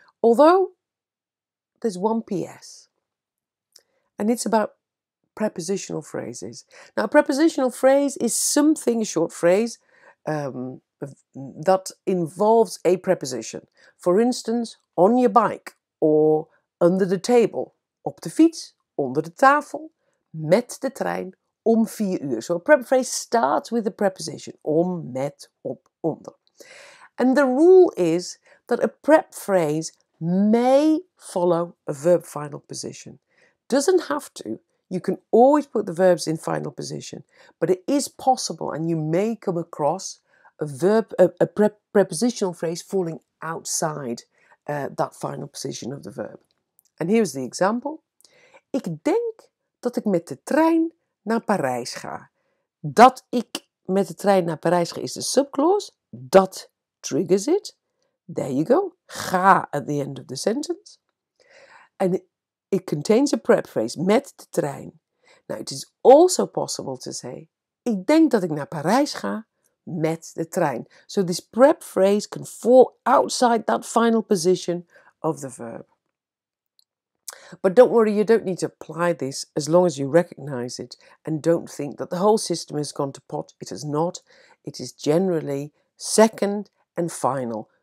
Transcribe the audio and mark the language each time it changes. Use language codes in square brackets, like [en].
[en] Although, there's one PS. And it's about prepositional phrases. Now, a prepositional phrase is something, a short phrase, that involves a preposition. For instance, on your bike, or under the table. [nl] Op de fiets, onder de tafel, met de trein. Om 4 uur. [en] So a prep phrase starts with a preposition. [nl] Om, met, op, onder. [en] And the rule is that a prep phrase may follow a verb final position. Doesn't have to. You can always put the verbs in final position. But it is possible and you may come across a prepositional phrase falling outside that final position of the verb. And here's the example. [nl] Ik denk dat ik met de trein naar Parijs ga. Dat ik met de trein naar Parijs ga is de subclause. [en] Dat triggers it. There you go. Ga at the end of the sentence. And it contains a prep phrase. [nl] Met de trein. [en] Now it is also possible to say, [nl] ik denk dat ik naar Parijs ga met de trein. [en] So this prep phrase can fall outside that final position of the verb. But don't worry, you don't need to apply this as long as you recognise it and don't think that the whole system has gone to pot. It has not. It is generally second and final.